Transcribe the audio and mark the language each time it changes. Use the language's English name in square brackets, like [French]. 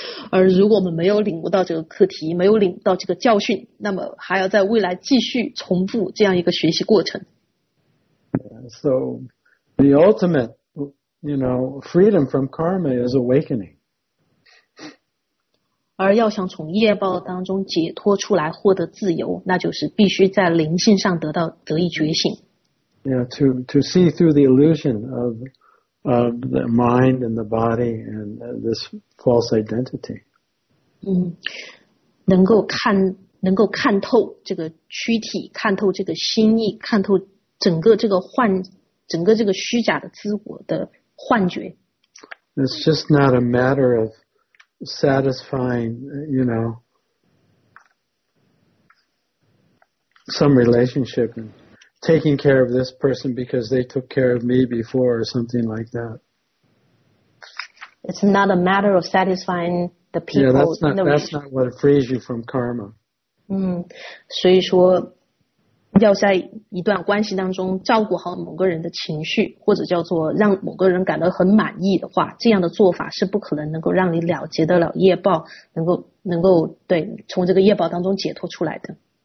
[Chinese] 而如果我们没有领悟到这个课题没有领悟到这个教训那么还要在未来继续重复这样一个学习过程。 [English] So, the ultimate,You know, freedom from karma is awakening. [Chinese] 而要想从业报当中解脱出来获得自由那就是必须在灵性上得到得以觉醒。 [English] Yeah, to see through the illusion of the mind and the body and this false identity. [Chinese] 能够看透这个躯体看透这个心意看透整个这个幻整个这个虚假的自我的幻觉。 [English] It's just not a matter of satisfying, you know, some relationship and taking care of this person because they took care of me before or something like that. It's not a matter of satisfying the people. Yeah, that's not what frees you from karma. [Chinese] 所以说要在一段关系当中照顾好某个人的情绪或者叫做让某个人感到很满意的话这样的做法是不可能能够让你了结得了业报能够对从这个业报当中解脱出来的